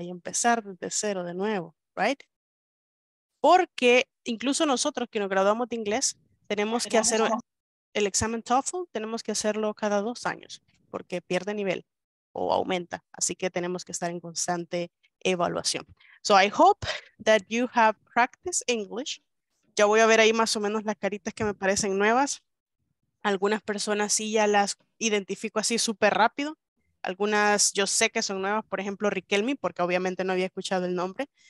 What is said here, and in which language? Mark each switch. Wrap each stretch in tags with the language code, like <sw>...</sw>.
<es>Y empezar desde cero de nuevo, ¿right? Porque incluso nosotros que nos graduamos de inglés, tenemos que hacer el examen TOEFL, tenemos que hacerlo cada 2 años, porque pierde nivel. o aumenta. Así que tenemos que estar en constante evaluación.</es> <en>So I hope that you have practiced English.</en> <es>Ya voy a ver ahí más o menos las caritas que me parecen nuevas. Algunas personas sí ya las identifico así súper rápido. Algunas yo sé que son nuevas, por ejemplo, Riquelme, porque obviamente no había escuchado el nombre.</es>